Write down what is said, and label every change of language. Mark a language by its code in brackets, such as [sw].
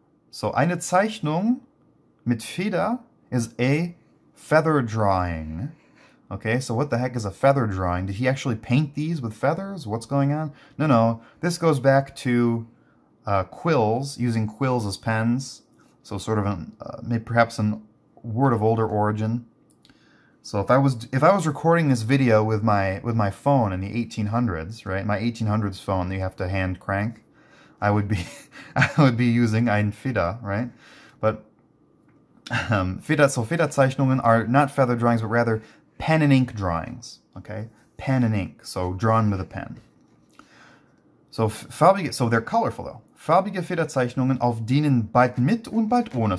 [en] So, [de] eine Zeichnung mit Feder [en] is a feather drawing. Okay, so what the heck is a feather drawing? Did he actually paint these with feathers? What's going on? No. This goes back to quills, using quills as pens, so sort of a word of older origin. So if I was recording this video with my phone in the 1800s, right, my 1800s phone that you have to hand crank, I would be using ein Feder, right? But Federzeichnungen are not feather drawings, but rather pen and ink drawings. Okay, pen and ink, so drawn with a pen. So farbige, so they're colorful though. [de] Farbige Federzeichnungen, auf denen bald mit und bald ohne.